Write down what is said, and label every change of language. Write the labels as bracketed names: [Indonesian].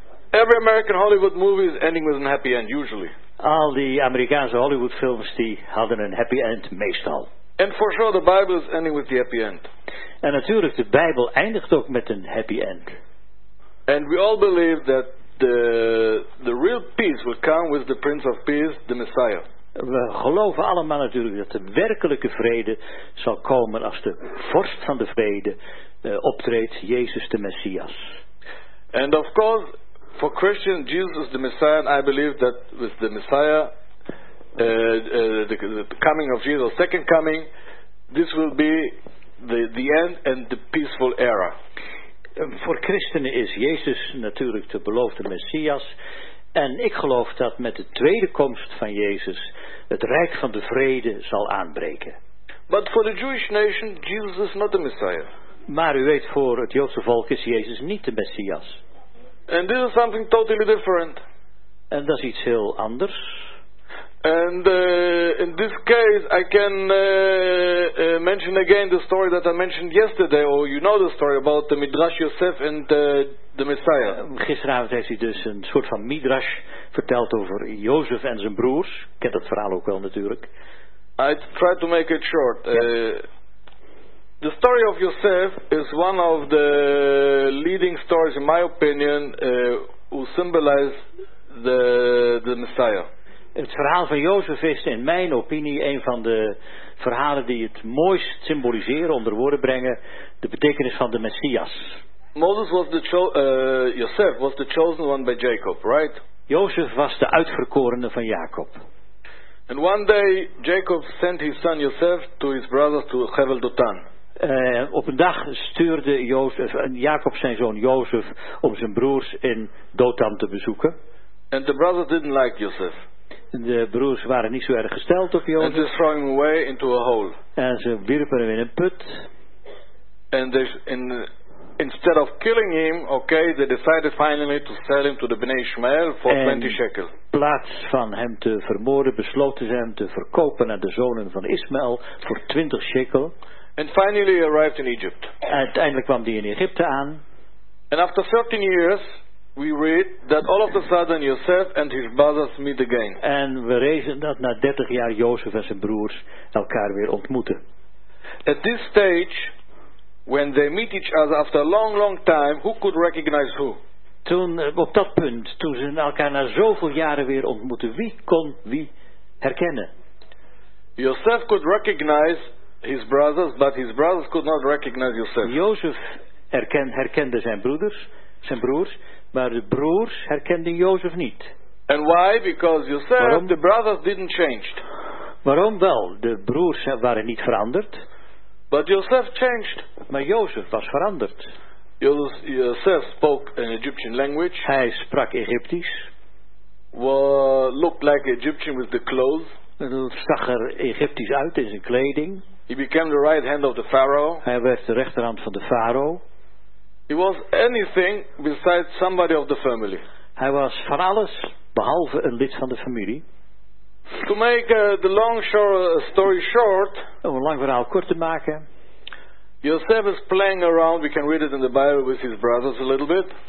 [English] Every American Hollywood movie is ending with a happy end, usually. [Dutch] Al die Amerikaanse Hollywoodfilms die hadden een happy end meestal. [English] And for sure the Bible is ending with the happy end. [Dutch] En natuurlijk de Bijbel eindigt ook met een happy end. [English] And we all believe that the real peace will come with the Prince of Peace, the Messiah. [Dutch] We geloven allemaal natuurlijk dat de werkelijke vrede zal komen als de vorst van de vrede optreedt, Jezus de Messias. [English] And of course, for Christians, Jesus is the Messiah, and I believe that with the Messiah, the coming of Jesus, second coming, this will be the end and the peaceful era. [Dutch] Voor christenen is Jezus natuurlijk de beloofde Messias. En ik geloof dat met de tweede komst van Jezus het rijk van de vrede zal aanbreken. [English] But for the Jewish nation, Jesus is not the Messiah. [Dutch] Maar u weet, voor het Joodse volk is Jezus niet de Messias. [English] And this is something totally different. [Dutch] En dat is iets heel anders. [English] And in this case I can mention again the story that I mentioned yesterday, or you know the story about the Midrash Yosef and the Messiah. [Dutch] Gisteravond heeft hij dus een soort van Midrash verteld over Jozef en zijn broers. Ik ken dat verhaal ook wel natuurlijk. [English] I try to make it short. The story of Yosef is one of the leading stories in my opinion who symbolize the Messiah. [Dutch] Het verhaal van Jozef is in mijn opinie een van de verhalen die het mooist symboliseren, onder woorden brengen, de betekenis van de Messias. [English] Moses was the Yosef was the chosen one by Jacob, right? [Dutch] Jozef was de uitverkorene van Jacob. [English] And one day Jacob sent his son Yosef to his brothers to Hevel Dotan. [Dutch] Op een dag stuurde Jacob zijn zoon Jozef om zijn broers in Dotan te bezoeken. [English] And the brothers didn't like Yosef. [Dutch] De broers waren niet zo erg gesteld op Jozef. [English] And they threw him away into a hole. [Dutch] En ze wierpen hem in een put. [English] And they, instead of killing him, okay, they decided finally to sell him to the Bnei Ishmael for 20 shekel. [Dutch] In plaats van hem te vermoorden, besloten ze hem te verkopen aan de zonen van Ismaël voor 20 shekel. [English] And finally he arrived in Egypt. [Dutch] Uiteindelijk kwam hij in Egypte aan. [English] And after 13 years we read that all of a sudden Yosef and his brothers meet again. [Dutch] En we lezen dat na 30 jaar Jozef en zijn broers elkaar weer ontmoeten. [English] At this stage, when they meet each other after a long, long time, who could recognize who? [Dutch] Toen, op dat punt, toen ze elkaar na zoveel jaren weer ontmoeten, wie kon wie herkennen? [English] Yosef could recognize his brothers, but his brothers could not recognize Yosef. [Dutch] Jozef herkende zijn broers. Maar de broers herkenden Jozef niet. [English] And why? Because Yosef, [Dutch] waarom? [English] The brothers didn't change. [Dutch] Waarom wel? De broers waren niet veranderd. [English] But Yosef changed. [Dutch] Maar Jozef was veranderd. [English] Yosef spoke an Egyptian language. [Dutch] Hij sprak Egyptisch. [English] Looked like Egyptian with the clothes. [Dutch] Hij zag er Egyptisch uit in zijn kleding. [English] He became the right hand of the Pharaoh. [Dutch] Hij werd de rechterhand van de farao. [English] He was anything besides somebody of the family. [Dutch] Hij was van alles behalve een lid van de familie. [English] To make the long story short, [Dutch] om een lang verhaal kort te maken. [English] Yosef is playing around, we can read it in the Bible, with his brothers a little bit.